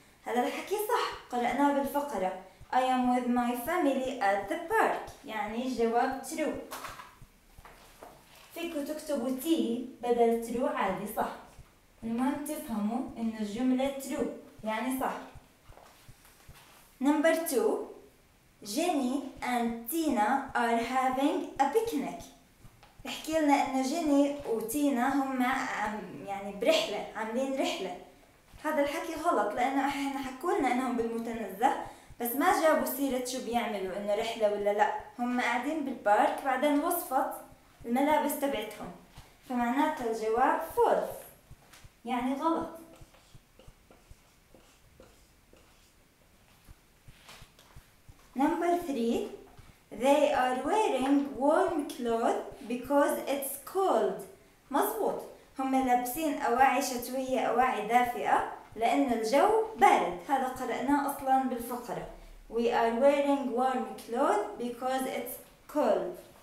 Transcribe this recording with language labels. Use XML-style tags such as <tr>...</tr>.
<ar>هذا الحكي صح، قرأناه بالفقره</ar> <en>I am with my family at the park،</en> <ar>يعني جواب ترو. فيكم تكتبوا تي بدل ترو عادي، صح. المهم تفهموا ان الجملة ترو يعني صح.</ar> <en>Number 2، Jenny and Tina are having a picnic.</en> <ar>بحكي لنا ان جيني وتينا هم يعني برحلة، عاملين رحلة. هذا الحكي غلط لانه احنا حكولنا انهم بالمتنزه، بس ما جابوا سيرة شو بيعملوا، انه رحلة ولا لا، هم قاعدين بالبارك. بعدين وصفت الملابس تبعتهم، فمعناته الجواب فولس يعني غلط.</ar> <en>Number 3، they are wearing warm clothes because it's cold.</en> <ar>مظبوط، هم لابسين اواعي شتوية، اواعي دافئة، لان الجو بارد. هذا قرأناه اصلا بالفقرة</ar> <en>we are wearing warm clothes because it's cold.</en>